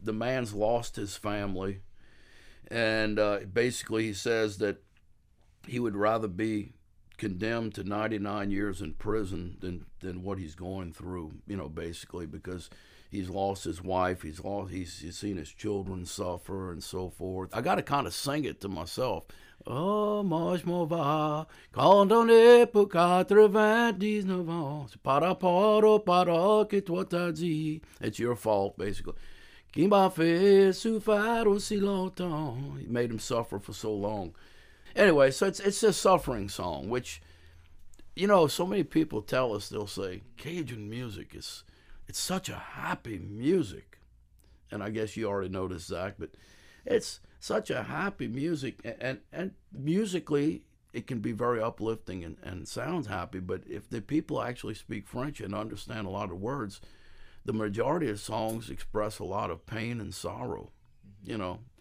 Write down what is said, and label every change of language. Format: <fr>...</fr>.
<en>The man's lost his family, and basically he says that he would rather be condemned to 99 years in prison than what he's going through, you know, basically, because he's lost his wife, he's seen his children suffer and so forth. I gotta kind of sing it to myself.</en> <fr>Oh, moi je m'en vais, quand on est pour 99 ans, c'est par rapport aux paroles que toi t'as dit.</fr> <en>It's your fault, basically.</en> <fr>Qui m'a fait souffrir aussi longtemps?</fr> <en>He made him suffer for so long. Anyway, so it's a suffering song, which, you know, so many people tell us, they'll say, Cajun music is, it's such a happy music. And I guess you already noticed, Zach, but it's such a happy music, and musically it can be very uplifting and sounds happy, but if the people actually speak French and understand a lot of words, the majority of songs express a lot of pain and sorrow, you know,</en>